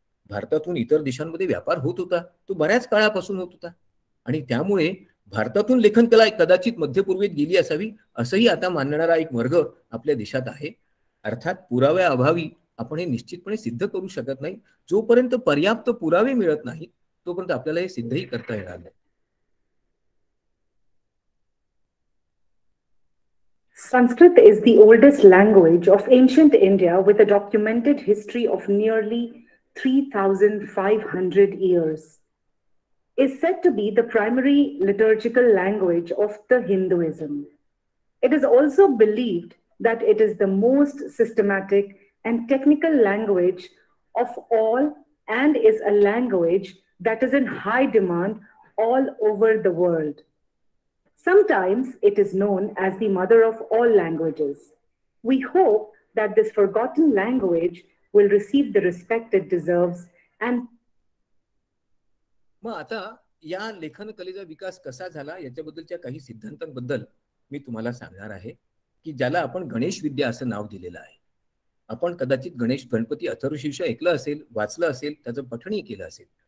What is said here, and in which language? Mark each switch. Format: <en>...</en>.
<mr>भारतातून इतर देशांमध्ये व्यापार होत होता, तो बऱ्याच काळापासून होत होता आणि त्यामुळे भारतातून लेखनकला कदाचित मध्यपूर्वेत गेली असावी असंही आता मानणारा एक वर्ग आपल्या देशात आहे. अर्थात पुराव्याअभावी आपण हे निश्चितपणे सिद्ध करू शकत नाही. जोपर्यंत पर्याप्त पुरावे मिळत नाहीत तोपर्यंत आपल्याला हे सिद्धही करता येणार नाही.</mr> <en>Sanskrit is the oldest language of ancient India with a documented history of nearly 3,500 years. It is said to be the primary liturgical language of the Hinduism. It is also believed that it is the most systematic and technical language of all and is a language that is in high demand all over the world. Sometimes it is known as the mother of all languages. We hope that this forgotten language will receive the respect it deserves. And</en> <mr>मग आता या लेखनकलेचा विकास कसा झाला याच्याबद्दलच्या काही सिद्धांतांबद्दल मी तुम्हाला सांगणार आहे की ज्याला आपण गणेश विद्या असं नाव दिलेलं आहे. आपण कदाचित गणेश गणपती अथर्वशीर्ष ऐकलं असेल, वाचलं असेल, त्याचं पठणही केलं असेल.</mr>